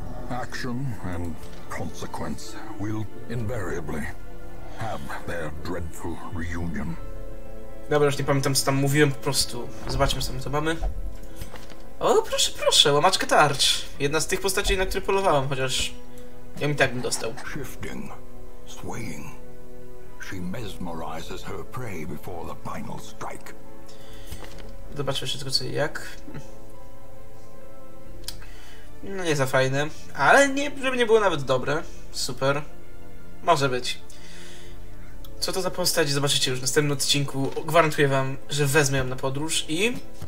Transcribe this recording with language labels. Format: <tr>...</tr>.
<en>action and consequence will invariably have their dreadful reunion.</en> <pl>Dobra, już nie pamiętam, co tam mówiłem, po prostu zobaczmy, co my to mamy. O, proszę, proszę, łamaczka tarcz. Jedna z tych postaci, na które polowałem, chociaż ja mi tak bym dostał.</pl> <en>Shifting, swaying, she mesmerizes her prey before the final strike.</en> <pl>Zobaczmy jeszcze tylko, co i jak. No nie za fajne, ale nie, żeby nie było nawet dobre. Super. Może być. Co to za postać, zobaczycie już w następnym odcinku. Gwarantuję wam, że wezmę ją na podróż i...</pl>